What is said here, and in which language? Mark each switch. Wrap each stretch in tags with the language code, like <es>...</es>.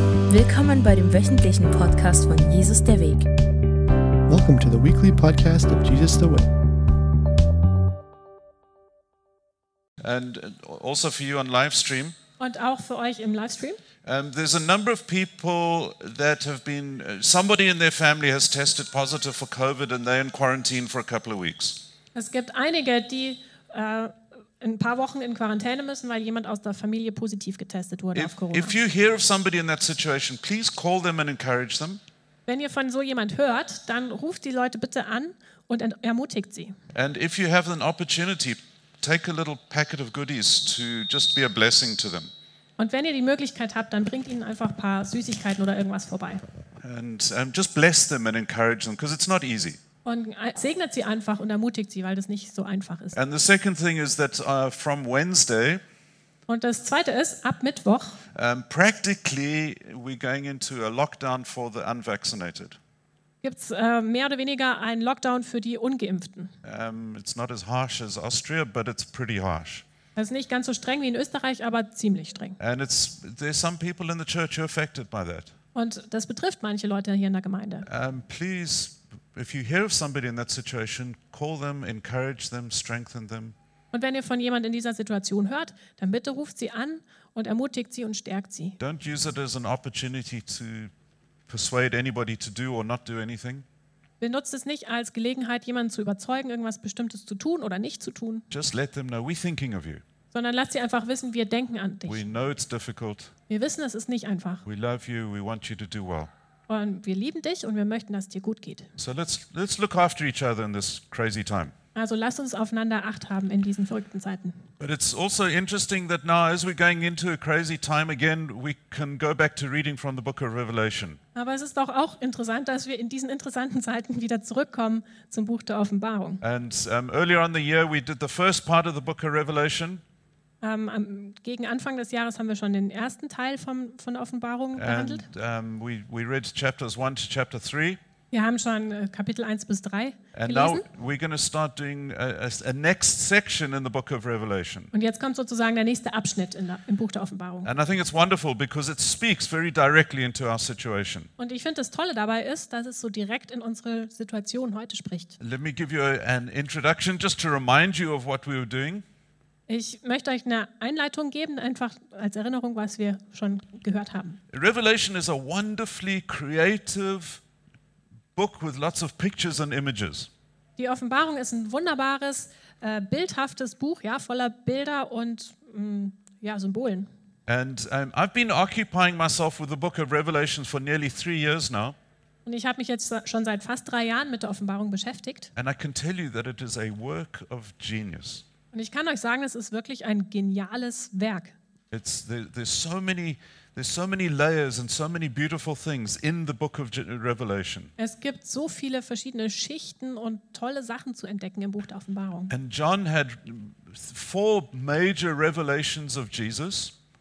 <de>Willkommen bei dem wöchentlichen Podcast von Jesus der Weg.</de> <en>Welcome to the weekly podcast of Jesus the Way. And also for you on live stream.</en> <de>Und auch für euch im Livestream.</de> <en>There's a number of people that have been, somebody in their family has tested positive for COVID and they're in quarantine for a couple of weeks.</en> <de>Es gibt einige, die ein paar Wochen in Quarantäne müssen, weil jemand aus der Familie positiv getestet wurde auf Corona.</de> <en>If you hear of somebody in that situation, please call them and encourage them.</en> <de>Wenn ihr von so jemand hört, dann ruft die Leute bitte an und ermutigt sie.</de> <en>And if you have an opportunity, take a little packet of goodies to just be a blessing to them.</en> <de>Und wenn ihr die Möglichkeit habt, dann bringt ihnen einfach ein paar Süßigkeiten oder irgendwas vorbei.</de> <en>And just bless them and encourage them, because it's not easy.</en> <de>Und segnet sie einfach und ermutigt sie, weil das nicht so einfach ist.</de> <en>And the second thing is that from Wednesday.</en> <de>Und das zweite ist ab Mittwoch.</de> <en>Practically we're going into a lockdown for the unvaccinated.</en> <de>Gibt's mehr oder weniger einen Lockdown für die Ungeimpften.</de> <en>It's not as harsh as Austria, but it's pretty harsh.</en> <de>Das ist nicht ganz so streng wie in Österreich, aber ziemlich streng.</de> <en>And it's, there's some people in the church who are affected by that.</en> <de>Und das betrifft manche Leute hier in der Gemeinde.</de> <en>Please, if you hear of somebody in that situation, call them, encourage them, strengthen them.</en> <de>Und wenn ihr von jemand in dieser Situation hört, dann bitte ruft sie an und ermutigt sie und stärkt sie.</de> <en>Don't use it as an opportunity to persuade anybody to do or not do anything.</en> <de>Benutzt es nicht als Gelegenheit, jemanden zu überzeugen, irgendwas Bestimmtes zu tun oder nicht zu tun.</de> <en>Just let them know we're thinking of you.</en> <de>Sondern lasst sie einfach wissen, wir denken an dich.</de> <en>We know it's difficult.</en> <de>Wir wissen, es ist nicht einfach.</de> <en>We love you. We want you to do well.</en> <de>Und wir lieben dich und wir möchten, dass es dir gut geht.</de> <en>So let's look after each other in this crazy time.</en> <de>Also lasst uns aufeinander Acht haben in diesen verrückten Zeiten.</de> <en>But it's also interesting that now, as we're going into a crazy time again, we can go back to reading from the book of Revelation.</en> <de>Aber es ist doch auch interessant, dass wir in diesen interessanten Zeiten wieder zurückkommen zum Buch der Offenbarung.</de> <en>And earlier on the year, we did the first part of the book of Revelation.</en> <de>Gegen Anfang des Jahres haben wir schon den ersten Teil von der Offenbarung behandelt.</de> <en>We read chapters 1 to chapter 3.</en> <de>Wir haben schon Kapitel 1 bis 3</de> <en>and Now we're going to start doing a next section in the book of Revelation.</en> <de>Und jetzt kommt sozusagen der nächste Abschnitt im Buch der Offenbarung.</de> <en>And I think it's wonderful because it speaks very directly into our situation.</en> <de>Und ich finde, das Tolle dabei ist, dass es so direkt in unsere Situation heute spricht.</de> <en>Let me give you an introduction just to remind you of what we were doing.</en> <de>Ich möchte euch eine Einleitung geben, einfach als Erinnerung, was wir schon gehört haben.</de> <en>Revelation is a wonderfully creative book with lots of pictures and images.</en> <de>Die Offenbarung ist ein wunderbares, bildhaftes Buch, ja, voller Bilder und ja, Symbolen.</de> <en>And I've been occupying myself with the book of Revelation for nearly 3 years now.</en> <de>Und ich habe mich jetzt schon seit fast 3 Jahren mit der Offenbarung beschäftigt.</de> <en>And I can tell you that it is a work of genius.</en> <de>Und ich kann euch sagen, es ist wirklich ein geniales Werk. Es gibt so viele verschiedene Schichten und tolle Sachen zu entdecken im Buch der Offenbarung.</de> <en>And John had 4 major revelations of Jesus.</en>